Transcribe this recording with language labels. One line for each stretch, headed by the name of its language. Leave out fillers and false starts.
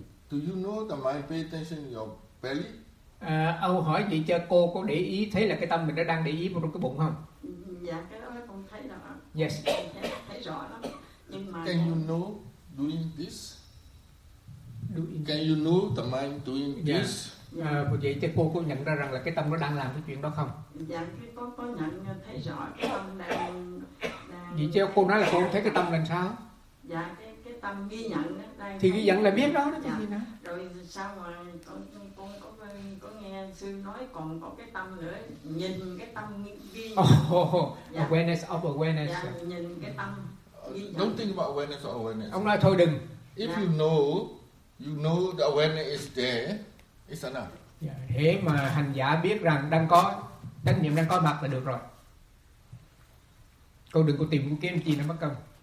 English: Do you know the mind pay attention in your belly?
Vietnamese: Ông hỏi vậy cho cô có để ý thấy là cái tâm mình nó đang để ý vào trong cái bụng không? Dạ, cái đó con thấy rõ.
English: Yes.
Vietnamese: Thấy rõ lắm. Nhưng mà
English: can you know doing this? Doing can you know the mind doing this?
Vietnamese: Vậy thì cô có nhận ra rằng là cái tâm nó đang làm cái chuyện đó không? Dạ, có nhận thấy rõ cái tâm đang. Vậy cho cô nói là cô thấy cái tâm làm sao? Dạ, cái tâm ghi nhận đó, đang. Thì ghi nhận là biết đó. Dạ. Rồi sao mà con có nghe sư nói còn có cái tâm nữa, nhìn cái tâm ghi nhận.
English: Awareness of awareness.
Vietnamese: Dạ, nhìn cái tâm ghi
English: nhận. Don't think about awareness of awareness.
Vietnamese: Ông nói thôi đừng.
English: If you know the awareness is there, it's enough.
Vietnamese: Yeah, thế mà hành giả biết rằng đang có, chánh niệm đang có mặt là được rồi. Cô đừng có tìm kiếm gì nó mất công.